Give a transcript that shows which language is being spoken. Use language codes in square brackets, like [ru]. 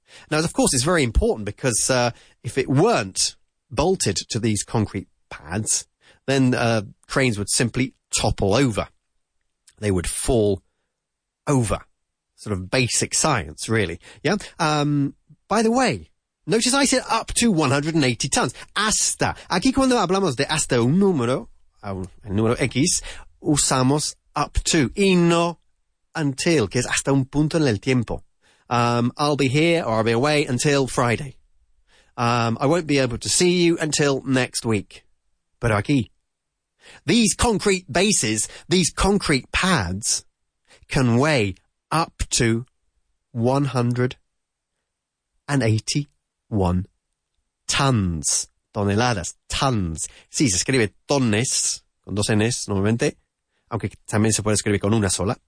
[en] Now, of course, it's very important because if it weren't bolted to these concrete pads, then cranes would simply topple over. They would fall over. Sort of basic science, really. Yeah. By the way, notice I said up to 180 tons. [es] Hasta. Aquí cuando hablamos de hasta un número, el número X, usamos up to. Y no until, que es hasta un punto en el tiempo. [en] I'll be here or I'll be away until Friday. I won't be able to see you until next week. [es] Pero aquí. [en] These concrete bases, these concrete pads, can weigh up to 181 tons. [es] Toneladas. Tons. Sí, se escribe tones, con dos N's normalmente. Aunque también se puede escribir con una sola.